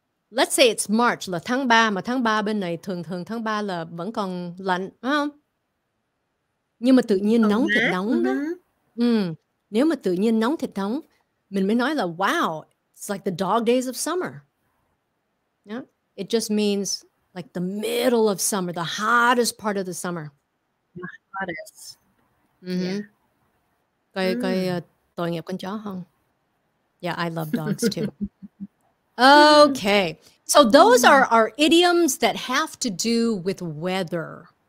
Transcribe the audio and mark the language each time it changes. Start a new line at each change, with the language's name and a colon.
English: Let's say it's March,
Vietnamese: là tháng 3, mà tháng 3 bên này thường thường tháng 3 là vẫn còn lạnh, phải không? Nhưng mà tự nhiên nóng thiệt nóng đó. Nếu mà tự nhiên nóng thiệt nóng, mình mới nói là
English: wow, it's like the dog days of summer. Yeah? It just means like the middle of summer, the hottest part of the summer. The hottest. Mm-hmm. Yeah.
Vietnamese: Coi, coi tội nghiệp con chó không?
English: Yeah, I love dogs too. Okay. So those are our idioms that have to do with weather.